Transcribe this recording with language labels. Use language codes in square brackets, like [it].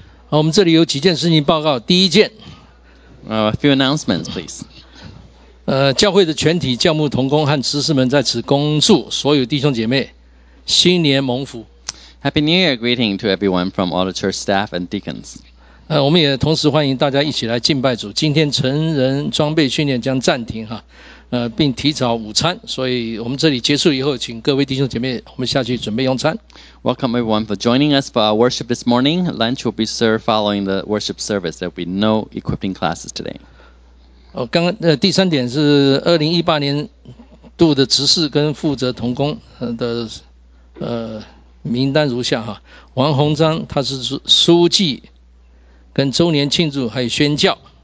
[zh] 好，我们这里有几件事情报告。第一件 [en] A few announcements, please. [zh] 教会的全体教牧同工和执事们在此恭祝所有弟兄姐妹新年蒙福。 [en] Happy New Year greeting to everyone from all the church staff and deacons. [zh] 我们也同时欢迎大家一起来敬拜主。今天成人装备训练将暂停并提早午餐，所以我们这里结束以后，请各位弟兄姐妹，我们下去准备用餐。 [en] Welcome everyone for joining us for our worship this morning. Lunch will be served following the worship service. There will be no equipping classes today. [zh] 第三点是2018年度的执事跟负责同工的名单如下王宏章他是书记跟周年庆祝还有宣教，